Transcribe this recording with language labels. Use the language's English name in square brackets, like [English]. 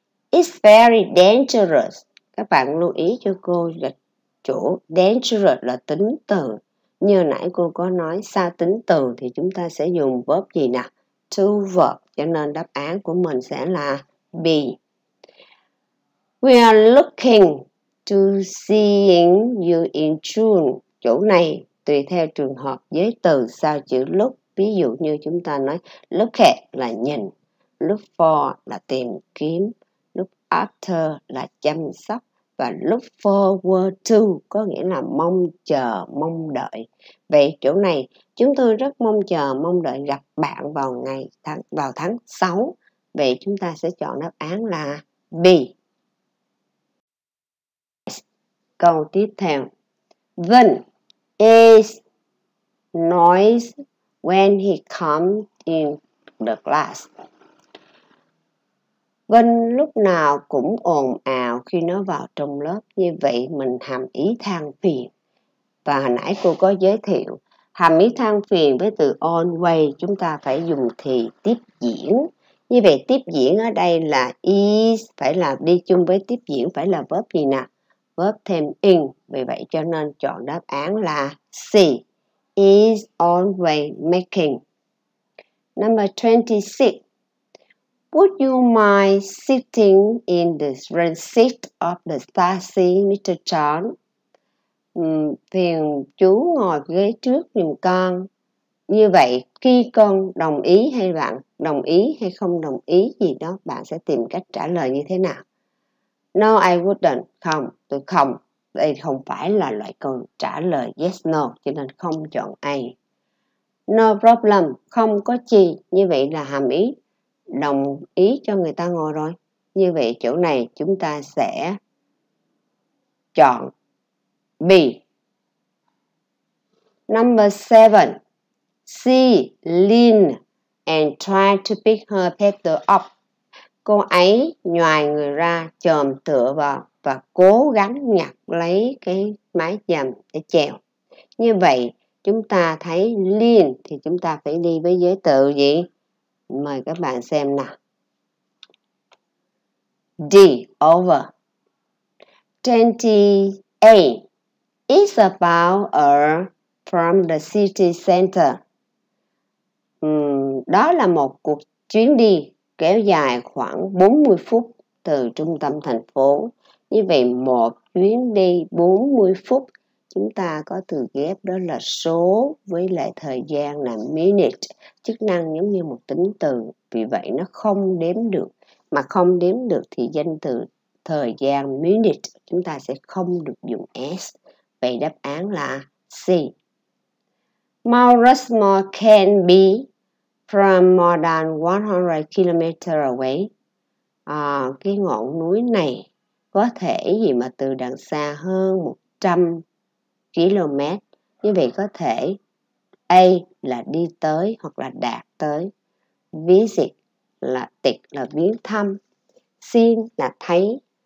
[English] It's very dangerous. [Vietnamese] Các bạn lưu ý cho cô là chỗ dangerous là tính từ. Như nãy cô có nói, sao tính từ thì chúng ta sẽ dùng verb gì nè? To verb. Cho nên đáp án của mình sẽ là B. [English] We are looking to seeing you in June. [Vietnamese] Chỗ này tùy theo trường hợp giới từ sao chữ look. Ví dụ như chúng ta nói look at là nhìn, look for là tìm kiếm, look after là chăm sóc, và look forward to có nghĩa là mong chờ, mong đợi. Vậy chỗ này chúng tôi rất mong chờ, mong đợi gặp bạn vào ngày tháng 6. Vậy chúng ta sẽ chọn đáp án là B. Câu tiếp theo. [English] Vin is noisy when he comes in the class. [Vietnamese] Vin lúc nào cũng ồn ào khi nó vào trong lớp. Như vậy mình hàm ý than phiền. Và hồi nãy cô có giới thiệu hàm ý than phiền với từ always chúng ta phải dùng thì tiếp diễn. Như vậy tiếp diễn ở đây là is, phải là đi chung với tiếp diễn, phải là verb gì nè? Verb thêm in. Vì vậy cho nên chọn đáp án là C. [English] Is always making. Number 26. Would you mind sitting in the front seat of the taxi, Mr. John? [Vietnamese] Phiền chú ngồi ghế trước giùm con. Như vậy, khi con đồng ý hay bạn đồng ý hay không đồng ý gì đó, bạn sẽ tìm cách trả lời như thế nào? [English] No, I wouldn't. [Vietnamese] Không, tôi không. Đây không phải là loại câu trả lời yes, no, cho nên không chọn A. [English] No problem. [Vietnamese] Không có chi. Như vậy là hàm ý. Đồng ý cho người ta ngồi rồi. Như vậy chỗ này chúng ta sẽ chọn B. [English] Number 7. She leaned and tried to pick her paper up. [Vietnamese] Cô ấy nhoài người ra, chồm tựa vào và cố gắng nhặt lấy cái mái dầm để chèo. Như vậy chúng ta thấy lean thì chúng ta phải đi với giới từ gì? Mời các bạn xem nào. [English] D. Over. 28. It's about a from the city center. [Vietnamese] Đó là một cuộc chuyến đi kéo dài khoảng 40 phút từ trung tâm thành phố. Như vậy, một chuyến đi 40 phút, chúng ta có từ ghép đó là số với lại thời gian là minute, chức năng giống như một tính từ. Vì vậy, nó không đếm được. Mà không đếm được thì danh từ thời gian minute, chúng ta sẽ không được dùng S. Vậy đáp án là C. [English] Mount Rushmore can be from more than 100 km away. [Vietnamese] Cái ngọn núi này có thể gì mà từ đằng xa hơn 100 km. Như vậy có thể A là đi tới hoặc là đạt tới. Visit là tịt là viếng thăm. Seen là thấy.